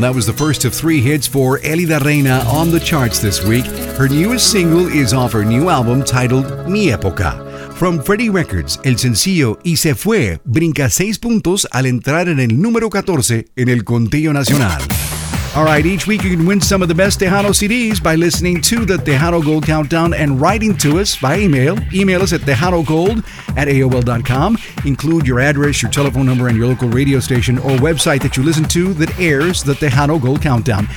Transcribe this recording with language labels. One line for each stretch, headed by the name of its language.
English: That was the first of three hits for Elida Reina on the charts this week. Her newest single is off her new album titled Mi Época. From
Spanish: Freddie Records, el sencillo Y Se Fue brinca 6 puntos al entrar en el número 14 en el conteo nacional.
English: All right, each week you can win some of the best Tejano CDs by listening to the Tejano Gold Countdown and writing to us by email. Email us at TejanoGold@AOL.com. Include your address, your telephone number, and your local radio station or website that you listen to that airs the Tejano Gold Countdown.